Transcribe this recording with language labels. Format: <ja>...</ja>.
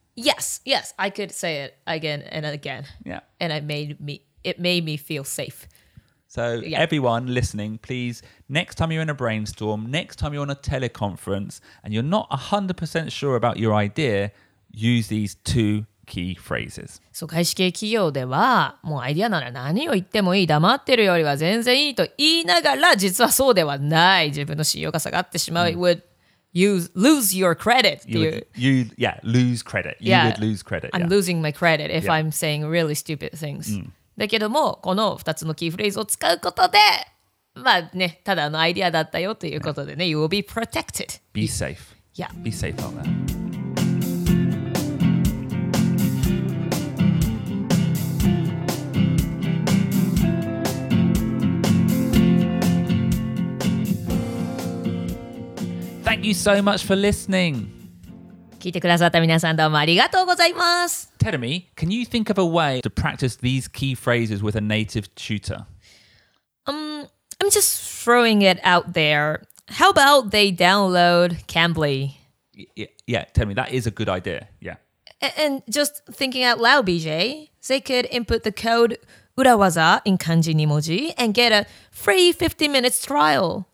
<en>Yes. I could say it again and again. Yeah. And it made me feel safe. So yeah. Everyone listening, please, next time you're in a brainstorm, next time you're on a teleconference and you're not 100% sure about your idea, use these two key phrases.</en> <ja>そう、外資系企業ではもうアイディアなら何を言ってもいい、黙ってるよりは全然いいと言いながら、実はそうではない。自分の信用が下がってしまう。</ja> <en>Mm. Would lose your credit. Lose credit. You would lose credit. I'm losing my credit if I'm saying really stupid things.、Mm.</en> <ja>だけどもこの2つのキーフレーズを使うことでまあねただのアイディアだったよということでね、yeah.</ja> <en>You will be protected. Be safe. Yeah. Be safe on that. Thank you so much for listening.</en> <ja>聞いてくださった皆さんどうもありがとうございます。</ja> <en>Terumi, can you think of a way to practice these key phrases with a native tutor? I'm just throwing it out there. How about they download Cambly? Yeah, Terumi, that is a good idea. Yeah. And just thinking out loud, BJ, they could input the code urawaza in kanji nimoji and get a free 15 minutes trial.</en>